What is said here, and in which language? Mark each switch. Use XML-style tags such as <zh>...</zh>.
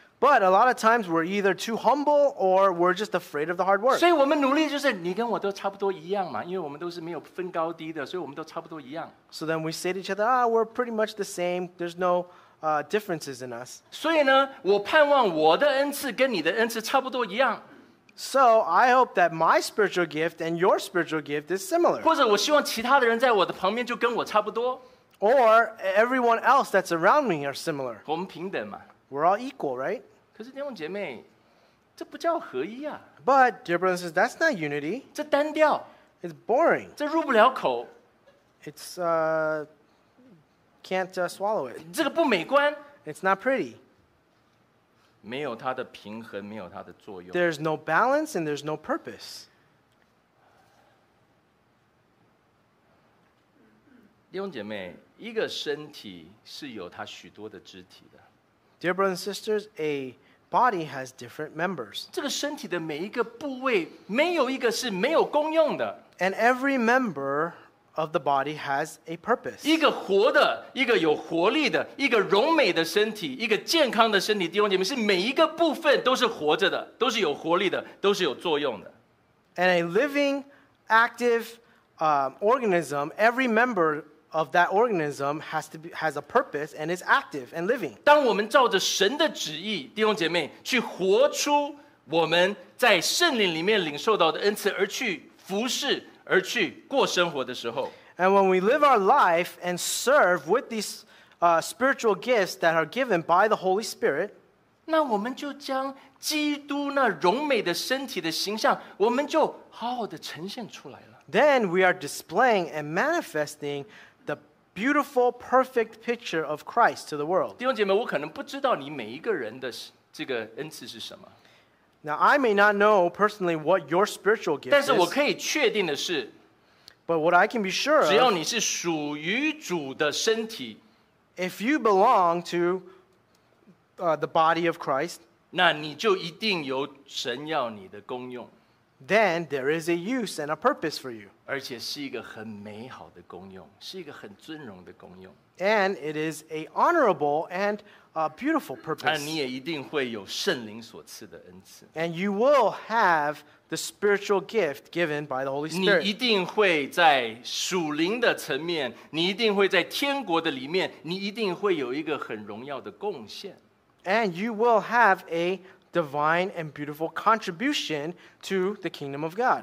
<en>But a lot of times we're either too humble or we're just afraid of the hard work.</en> <zh>所以我们努力就是你跟我都差不多一样嘛，因为我们都是没有分高低的，所以我们都差不多一样。</zh> <en>So then we say to each other, "Ah, we're pretty much the same. There's no differences in us."</en> <zh>所以呢，我盼望我的恩赐跟你的恩赐差不多一样。</zh> <en>So I hope that my spiritual gift and your spiritual gift is similar.</en> <zh>或者我希望其他的人在我的旁边就跟我差不多。</zh> <en>Or everyone else that's around me are similar.</en> <zh>我们平等嘛。</zh> <en>We're all equal, right?</en> <zh>可是弟兄姐妹，这不叫合一啊。</zh> <en>But dear brothers, that's not unity.</en> <zh>这单调。</zh> <en>It's boring.</en> <zh>这入不了口。</zh> <en>It's can't swallow it.</en> <zh>这个不美观。</zh> <en>It's not pretty.</en> <zh>没有它的平衡，没有它的作用。</zh> <en>There's no balance and there's no purpose.</en> <zh>弟兄姐妹，一个身体是有它许多的肢体的。</zh> <en>Dear brothers and sisters, a body has different members.</en> <zh>这个身体的每一个部位，没有一个是没有功用的。</zh> <en>And every member of the body has a purpose.</en> <zh>一个活的，一个有活力的，一个柔美的身体，一个健康的身体，弟兄姐妹，是每一个部分都是活着的，都是有活力的，都是有作用的。</zh> <en>And a living, active, organism, every member. Of that organism has a purpose and is active and living.</en> <zh>当我们照着神的旨意，弟兄姐妹，去活出我们在圣灵里面领受到的恩赐，而去服侍，而去过生活的时候，</zh> <en>and when we live our life and serve with these spiritual gifts that are given by the Holy Spirit,</en> <zh>那我们就将基督那柔美的身体的形象，我们就好好的呈现出来了。</zh> <en>Then we are displaying and manifesting. The beautiful, perfect picture of Christ to the world.</en> <zh>弟兄姐妹，我可能不知道你每一个人的这个恩赐是什么。</zh> <en>Now, I may not know personally what your spiritual gift is.</en> <zh>但是我可以确定的是</zh> <en>But what I can be sure of,</en> <zh>只要你是属于主的身体</zh> <en>If you belong to the body of Christ,</en> <zh>那你就一定有神要你的功用</zh> <en>Then there is a use and a purpose for you.</en> <zh>而且是一个很美好的功用，是一个很尊荣的功用</zh> <en>And it is a honorable andA beautiful purpose.</en> <zh>你也一定会有圣灵所赐的恩赐。</zh> <en>And you will have the spiritual gift given by the Holy Spirit.</en> <zh>你一定会在属灵的层面，你一定会在天国的里面，你一定会有一个很荣耀的贡献。</zh> <en>And you will have a divine and beautiful contribution to the kingdom of God.</en>